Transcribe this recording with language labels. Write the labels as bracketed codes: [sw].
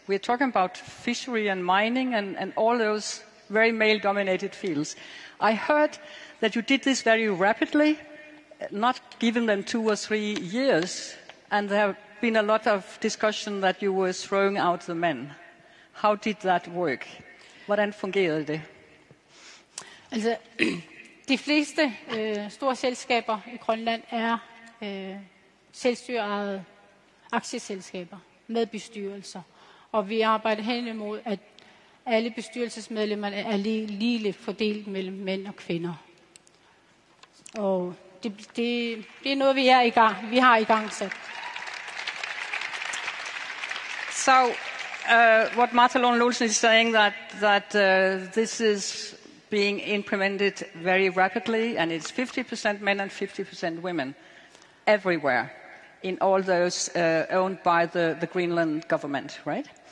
[en] We're talking about fishery and mining and all those very male-dominated fields. I heard that you did this very rapidly, not giving them 2 or 3 years. And there have been a lot of discussion that you were throwing out the men. How did that work? [da] Hvordan fungerede det? Altså, de fleste store selskaber i Grønland er selvstyrede aktieselskaber med bestyrelser. Og vi arbejder hen imod, at alle bestyrelsesmedlemmer er lige fordelt mellem mænd og kvinder. Og det er noget, vi er i gang. Vi har i gang sat. [en] So, what Martha Lund-Lulsen is saying that this is being implemented very rapidly, and it's 50% men and 50% women everywhere in all those owned by the Greenland government, right?